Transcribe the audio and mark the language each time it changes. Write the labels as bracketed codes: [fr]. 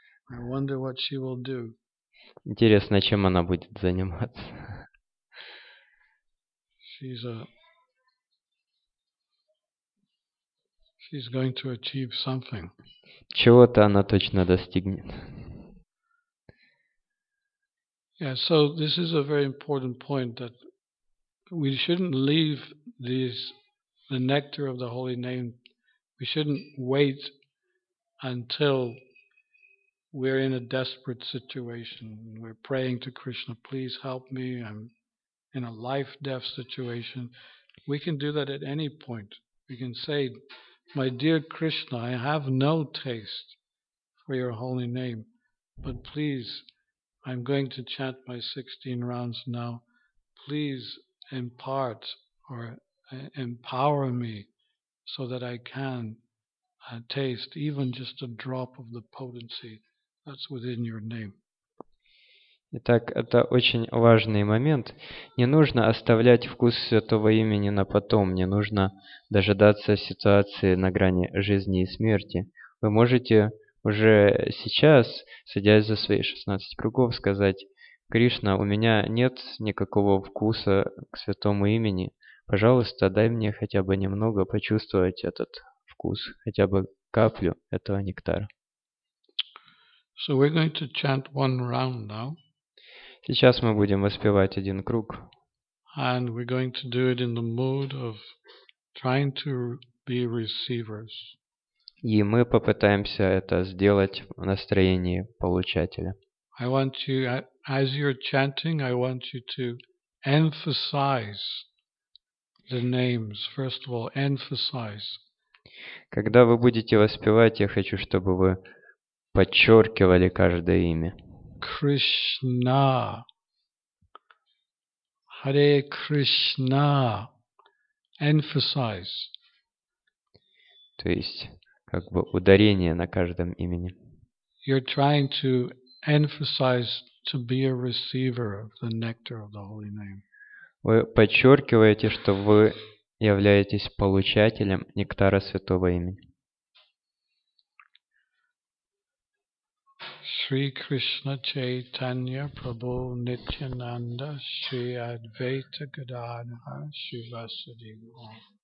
[en] I wonder what she will do. [ru] Интересно, чем она будет заниматься. [en] She's going to achieve something. [ru] Чего-то она точно достигнет. [en] Yeah, so this is a very important point that we shouldn't leave the nectar of the holy name. We shouldn't wait until we're in a desperate situation. We're praying to Krishna, please help me. In a life-death situation, we can do that at any point. We can say, my dear Krishna, I have no taste for your holy name, but please, I'm going to chant my 16 rounds now. Please impart or empower me so that I can taste even just a drop of the potency that's within your name. [ru] Итак, это очень важный момент. Не нужно оставлять вкус святого имени на потом, не нужно дожидаться ситуации на грани жизни и смерти. Вы можете уже сейчас, садясь за свои 16 кругов, сказать: «Кришна, у меня нет никакого вкуса к святому имени. Пожалуйста, дай мне хотя бы немного почувствовать этот вкус, хотя бы каплю этого нектара». [en] So we're going to chant one round now. [ru] Сейчас мы будем воспевать один круг. [en] And we're going to do it in the mood of trying to be receivers. [ru] И мы попытаемся это сделать в настроении получателя. [en] I want you, as you're chanting, I want you to emphasize the names. First of all, emphasize. [ru] Когда вы будете воспевать, я хочу, чтобы вы подчеркивали каждое имя. [en] Krishna. Hare Krishna. Emphasize. [ru] То есть, как бы ударение на каждом имени. [en] You're trying to emphasize to be a receiver of the nectar of the holy name. [ru] Вы подчеркиваете, что вы являетесь получателем нектара святого имени. [sa] Shri Krishna Chaitanya Prabhu Nityananda Shri Advaita Gadadhara Shri Vasudeva Gaur.